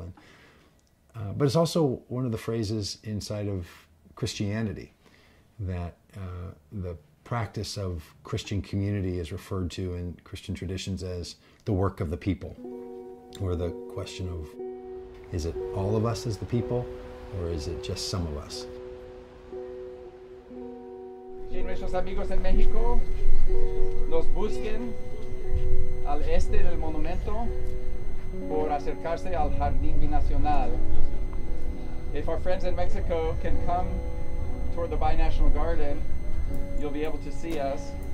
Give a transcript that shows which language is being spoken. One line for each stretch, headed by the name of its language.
English: And but it's also one of the phrases inside of Christianity, that the practice of Christian community is referred to in Christian traditions as the work of the people, or the question of, is it all of us as the people, or is it just some of us?
Spanish: Que nuestros amigos en México nos busquen al este del monumento por acercarse al Jardín Binacional.
English: If our friends in Mexico can come toward the Binational Garden, you'll be able to see us.